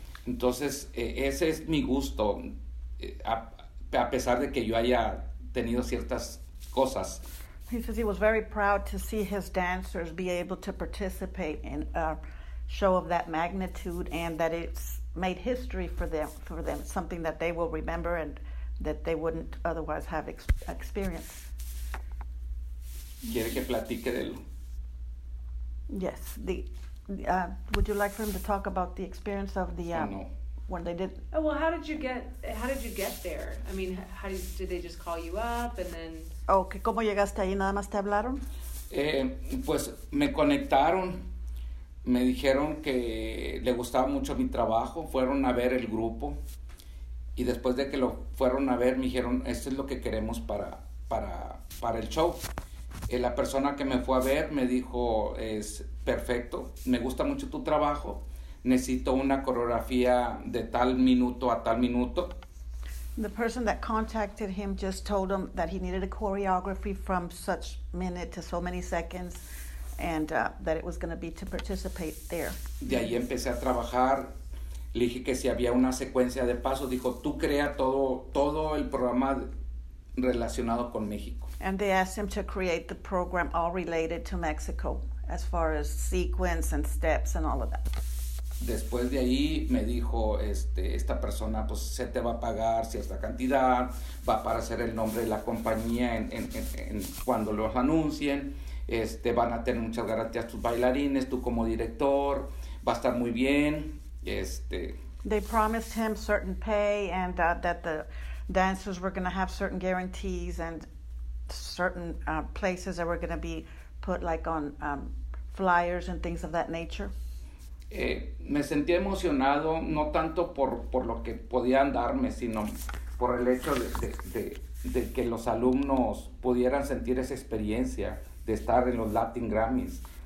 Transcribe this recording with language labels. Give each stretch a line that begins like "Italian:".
Spanish: Entonces, ese es mi gusto, a pesar de que yo haya tenido ciertas cosas.
English: He says he was very proud to see his dancers be able to participate in show of that magnitude, and that it's made history for them, something that they will remember and that they wouldn't otherwise have experienced.
Spanish: ¿Quiere que platique de él?
English: Yes. Would you like for him to talk about the experience of the no. When they did? Oh well, how did you get there? I mean, did they just call you up and then?
Spanish: Okay, ¿cómo llegaste ahí? ¿Nada más te hablaron? Pues me conectaron. Me dijeron que le gustaba mucho mi trabajo, fueron a ver el grupo y después de que lo fueron a ver me dijeron, esto es lo que queremos para el show. La persona que me fue a ver me dijo, es perfecto, me gusta mucho tu trabajo, necesito una coreografía de tal minuto a tal minuto.
English: The person that contacted him just told him that he needed a choreography from such minute to so many seconds. And that it was going to be to participate there.
Spanish: De ahí empecé a trabajar. Le dije que si había una secuencia de pasos, dijo, tú crea todo el programa relacionado con México.
English: And they asked him to create the program all related to Mexico, as far as sequence and steps and all of that.
Spanish: Después de ahí me dijo, esta persona, pues se te va a pagar cierta cantidad, va a aparecer el nombre de la compañía en cuando los anuncien. Van a tener muchas garantías tus bailarines, tú como director, va a estar muy bien.
English: They promised him certain pay and that the dancers were going to have certain guarantees and certain places that were going to be put like on flyers and things of that nature.
Spanish: Me sentí emocionado, no tanto por lo que podían darme, sino por el hecho de que los alumnos pudieran sentir esa experiencia de estar en los Latin Grammys.